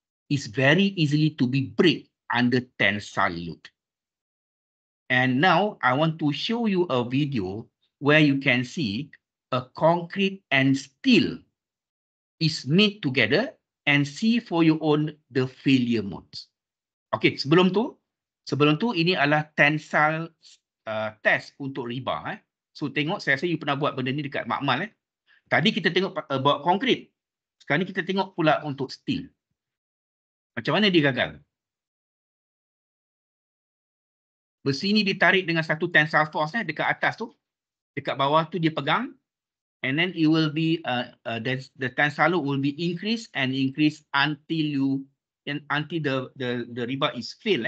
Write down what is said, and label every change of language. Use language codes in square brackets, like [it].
[en] It's very easily to be break under tensile load. And now I want to show you a video where you can see a concrete and steel is made together and see for your own the failure modes. [ms] Okay, sebelum tu ini adalah tensile test untuk rebar. Eh. So tengok, saya rasa you pernah buat benda ni dekat makmal. Eh. Tadi kita tengok buat konkrit. Sekarang ni kita tengok pula untuk steel. Macam mana dia gagal? Besi ni ditarik dengan satu tensile force eh, dekat atas tu. Dekat bawah tu dia pegang. [en] And then it will be, the tensile load will be increased and increased until the rebar is filled.